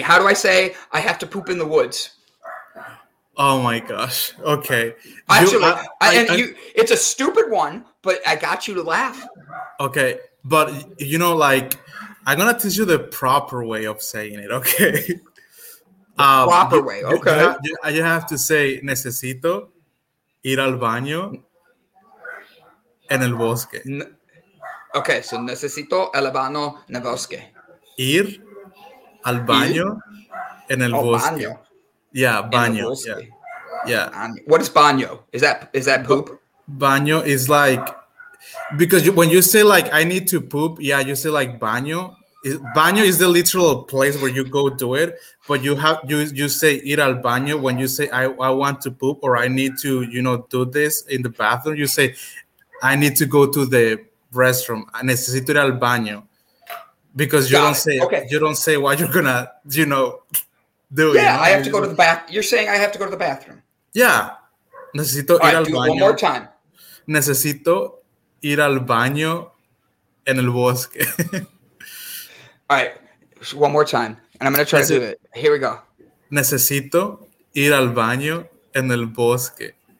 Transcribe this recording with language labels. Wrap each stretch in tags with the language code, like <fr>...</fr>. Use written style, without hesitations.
<en>How do I say I have to poop in the woods? Oh, my gosh. Okay. It's a stupid one, but I got you to laugh. Okay. But, you know, like I'm going to teach you the proper way of saying it. Okay. The proper way. Okay. You have to say</en> <es>necesito ir al baño en el bosque.</es> <en>Okay, so</en> <es>necesito el baño en el bosque. Ir al baño en el bosque. Baño. Yeah, baño. Yeah.</es> <en>What is baño? Is that poop? Baño is like, because when you say like, I need to poop, yeah, you say like baño. Baño is the literal place where you go do it, but you say</en> <es>ir al baño</es> <en>when you say I want to poop or I need to, you know, do this in the bathroom. You say, I need to go to the restroom.</en> <es>Necesito ir al baño, because you don't say, okay, you don't say what you're gonna, you know, do.</es> <en>Yeah, you know? I have to go to the bath. You're saying I have to go to the bathroom.</en> <es>Yeah, necesito ir al baño.</es> <en>One more time.</en> <es>Necesito ir al baño en el bosque.</es> <en>All right, one more time, and I'm gonna try to do it. Here we go.</en> <es>Necesito ir al baño en el bosque.</es>